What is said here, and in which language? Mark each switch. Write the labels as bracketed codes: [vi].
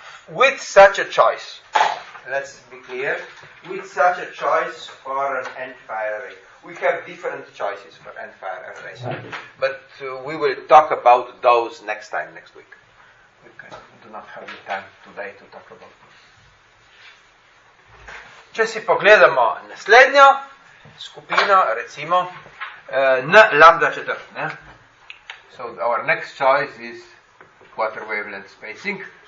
[en] With such a choice, let's be clear, with such a choice for an entire array. We have different choices for entire arrays, but we will talk about those next time, next week. We do not have the time today to talk about those. [sl] Če si pogledamo naslednjo skupino, recimo, n lambda četrt. Ne? [en] So our next choice is quarter wavelength spacing.